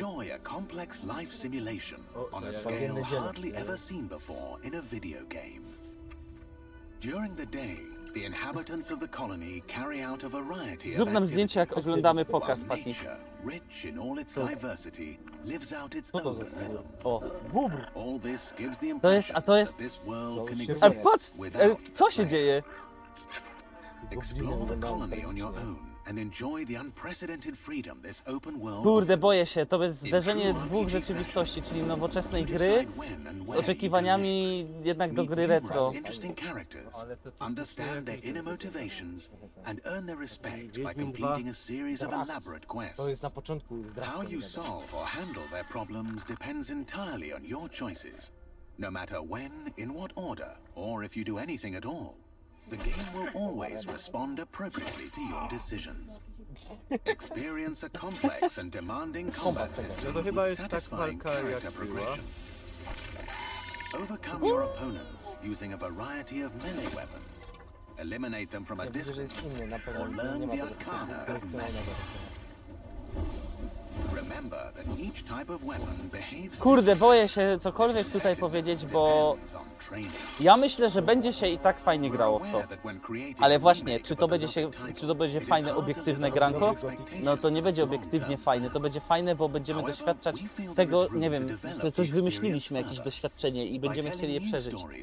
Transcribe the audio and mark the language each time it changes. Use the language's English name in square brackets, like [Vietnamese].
[English] Enjoy a complex life simulation on a scale hardly ever seen before in a video game. During the day, the inhabitants of the colony carry out a variety of activities. [Polish] Zrób nam zdjęcie, jak oglądamy pokaz, Patty. [English] Rich in all its diversity, lives out its own rhythm. O, bubr. All this gives the impression that this world can exist without prayer. [Polish] Co się dzieje? [English] Explore the colony on your own and enjoy the unprecedented freedom this open world. [Polish] Kurde, boję się, to jest zderzenie dwóch rzeczywistości, czyli nowoczesnej gry z oczekiwaniami jednak do gry retro. [English] Understand their inner motivations and earn their respect by completing a series of elaborate quests. [Polish] To jest na początku. [English] How you solve or handle their problems depends entirely on your choices. No matter when, in what order, or if you do anything at all, the game will always respond appropriately to your decisions. Experience a complex and demanding combat system with satisfying character progression. Overcome your opponents using a variety of melee weapons. Eliminate them from a distance or learn the arcana of melee. Remember that each type of weapon behaves. [Polish] Kurde, boję się cokolwiek tutaj powiedzieć, bo ja myślę, że będzie się i tak fajnie grało w to. Ale właśnie, czy to będzie fajne obiektywne granko? No to nie będzie obiektywnie fajne, to będzie fajne, bo będziemy doświadczać tego, nie wiem, że coś wymyśliliśmy, jakieś doświadczenie i będziemy chcieli je przeżyć.